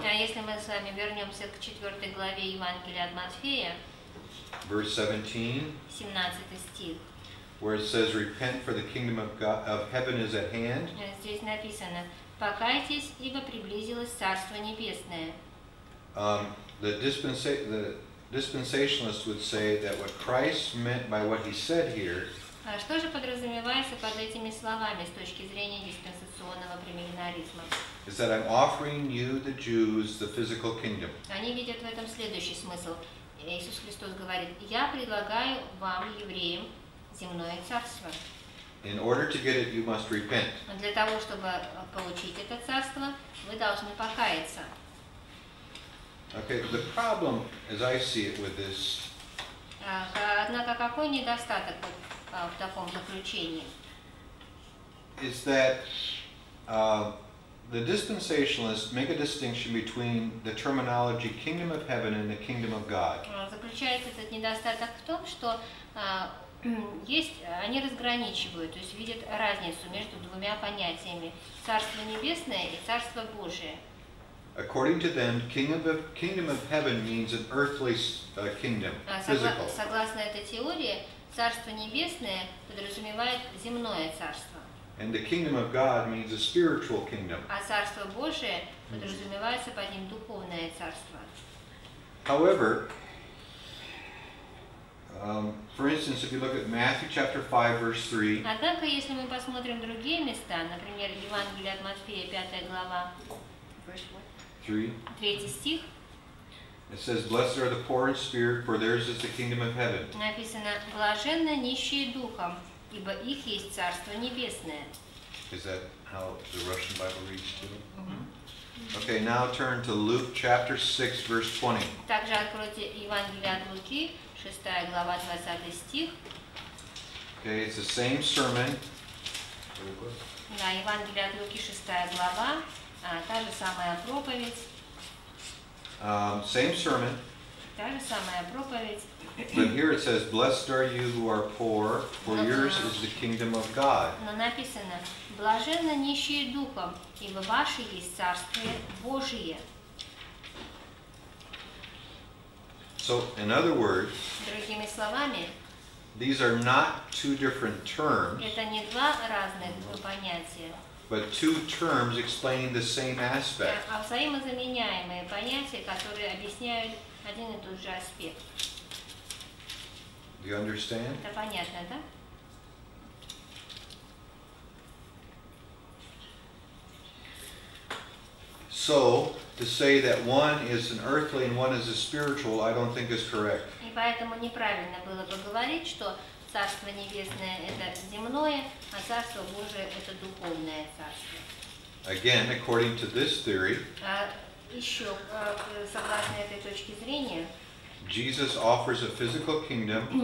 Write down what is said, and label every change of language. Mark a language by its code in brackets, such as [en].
[ru] а если мы с вами вернемся к 4 главе Евангелия от Матфея, [en] verse [ru] 17 стих, [en] where it says, "Repent, for the kingdom of God of heaven is at hand." [ru] Здесь написано: «Покайтесь, ибо приблизилось царство небесное». [en] The dispensationalists would say that what Christ meant by what he said here [ru] А что же подразумевается под этими словами с точки зрения диспенсационного премиллинализма? [en] Is that I'm offering you, the Jews, the physical kingdom. [ru] Они видят в этом следующий смысл. Иисус Христос говорит: «Я предлагаю вам, евреям, земное царство». [en] In order to get it, you must repent. [ru] Для того, чтобы получить это царство, вы должны покаяться. [en] Okay, the problem, as I see it, with this. [ru] Однако какой недостаток в таком заключении? [en] Is that the dispensationalists make a distinction between the terminology kingdom of heaven and the kingdom of God? [ru] Заключается этот недостаток в том, что есть, они разграничивают, то есть видят разницу между двумя понятиями: Царство Небесное и Царство Божие. [en] According to them, kingdom of heaven means an earthly kingdom, physical. [ru] Согласно этой теории, Царство Небесное подразумевает земное царство. [en] And the kingdom of God means a spiritual kingdom. [ru] А Царство Божие подразумевается под ним духовное царство. [en] However, for instance, if you look at Matthew chapter 5, verse 3. [ru] Однако, если мы посмотрим другие места, например, Евангелие от Матфея, 5 глава, 3 стих. [en] It says, "Blessed are the poor in spirit, for theirs is the kingdom of heaven." [ru] Написано: "Блаженны нищие духом, ибо их есть царство небесное." [en] Is that how the Russian Bible reads to them? Okay, now turn to Luke chapter 6, verse 20. [ru] Также откройте Евангелие от Луки, 6 глава, 20 стих. [en] Okay, it's the same sermon. [ru] Да, Евангелие от Луки, 6 глава, та же самая проповедь. [en] Same sermon. [ru] Та же самая проповедь. [en] But here it says, "Blessed are you who are poor, for yours is the kingdom of God." [ru] Но написано: "Блаженны нищие духом, ибо ваше есть царствие Божие." [en] So, in other words, [ru] другими словами, [en] these are not two different terms. [ru] Это не два разных понятия. [en] But two terms explaining the same aspect. [ru] А взаимозаменяемые понятия, которые объясняют один и тот же аспект. [en] Do you understand? [ru] Это понятно, да? [en] So, to say that one is an earthly and one is a spiritual, I don't think is correct. [ru] И поэтому неправильно было бы говорить, что Царство Небесное – это земное, а Царство Божие – это духовное царство. [en] Again, according to this theory, [ru] еще согласно этой точке зрения, [en] Jesus offers a physical kingdom,